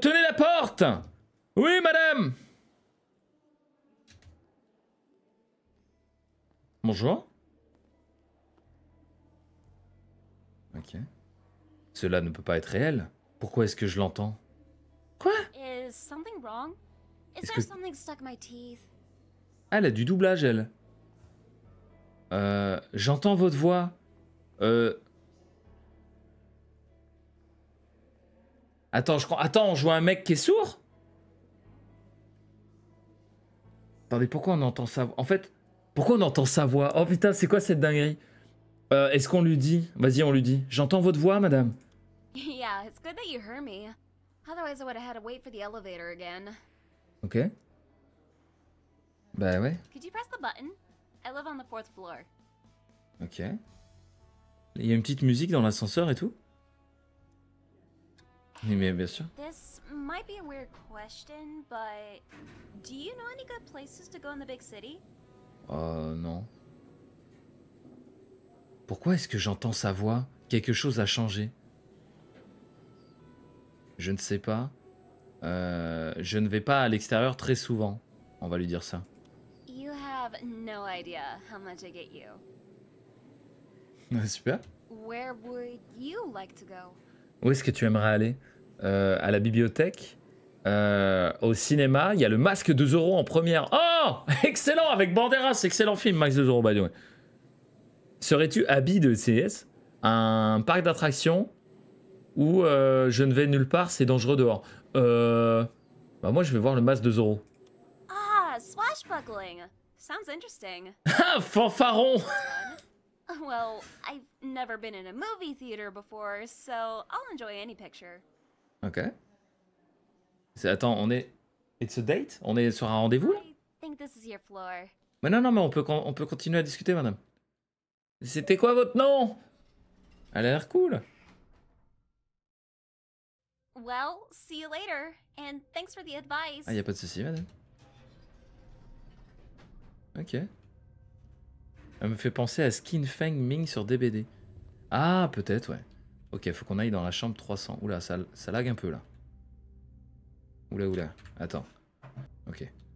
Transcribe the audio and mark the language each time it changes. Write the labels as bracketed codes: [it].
[fr] Tenez la porte ! Oui, madame ! Bonjour. Ok. Cela ne peut pas être réel. Pourquoi est-ce que je l'entends ? Quoi ? [en] Is something wrong? Is there something stuck in my teeth? [fr] Elle a du doublage, elle. J'entends votre voix. Attends, on joue un mec qui est sourd ? Attendez, pourquoi on entend ça ? En fait. Pourquoi on entend sa voix ? Oh putain, c'est quoi cette dinguerie ? Est-ce qu'on lui dit ? Vas-y, on lui dit. J'entends votre voix, madame. [en] Yeah, it's good that you heard me. Otherwise, I would have had to wait for the elevator again. [fr] Ok. Bah ouais. [en] Could you press the button ? I live on the fourth floor. Ok. [fr] Il y a une petite musique dans l'ascenseur et tout ? Oui, mais bien sûr. [en] This might be a weird question, but do you know any good places to go in the big city ? [fr] Non. Pourquoi est-ce que j'entends sa voix ? Quelque chose a changé. Je ne sais pas. Je ne vais pas à l'extérieur très souvent. On va lui dire ça. [en] You have no idea how much I get you. [fr] Super. [en] Where would you like to go ? [fr] Où est-ce que tu aimerais aller ? À la bibliothèque ? Au cinéma, il y a le Masque de Zorro en première. Oh, excellent, avec Banderas, excellent film, Masque de Zorro, [en] by the way. [fr] Serais-tu Abby de CS ? Un parc d'attractions où je ne vais nulle part, c'est dangereux dehors. Bah moi, je vais voir le Masque de Zorro. [en] Ah, swashbuckling. Sounds interesting. [fr] Fanfaron. [en] Well, I've never been in a movie theater before, so I'll enjoy any picture. [fr] Ok. Attends, on est... [en] It's a date ? [fr] On est sur un rendez-vous, là ? [en] I think this is your floor. [fr] Mais non, non, mais on peut continuer à discuter, madame. C'était quoi votre nom ? Elle a l'air cool. [en] Well, see you later. And thanks for the advice. [fr] Ah, y a pas de souci, madame. Ok. Elle me fait penser à Skin Feng Ming sur DBD. Ah, peut-être, ouais. Ok, faut qu'on aille dans la chambre 300. Oula, ça lag un peu, là. Oula, oula, attends. Ok.